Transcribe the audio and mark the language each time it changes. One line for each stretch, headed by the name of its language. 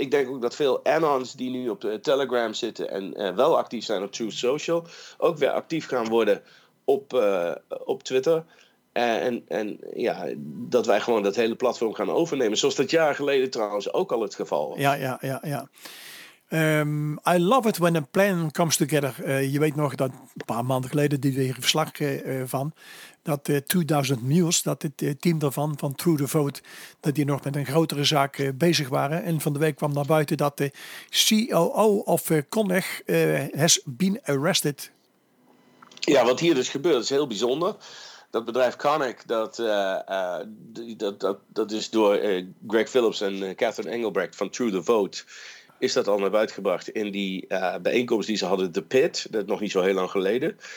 Dutch: Ik denk ook dat veel Anons die nu op Telegram zitten en wel actief zijn op Truth Social, ook weer actief gaan worden op Twitter. En dat wij gewoon dat hele platform gaan overnemen. Zoals dat jaar geleden trouwens ook al het geval was. Ja.
English: I love it when a plan comes together.
Dutch: Je weet nog dat een paar maanden geleden die weer verslag van. Dat 2000 Mules, dat het team daarvan, van True the Vote, dat die nog met een grotere zaak bezig waren. En van de week kwam naar buiten dat de
English: COO of Conneg has been arrested.
Dutch: Ja, wat hier dus gebeurt is heel bijzonder. Dat bedrijf Connick, dat is door Greg Phillips en Catherine Engelbrecht van True the Vote, is dat al naar buiten gebracht in die bijeenkomst die ze hadden, The Pit, dat nog niet zo heel lang geleden.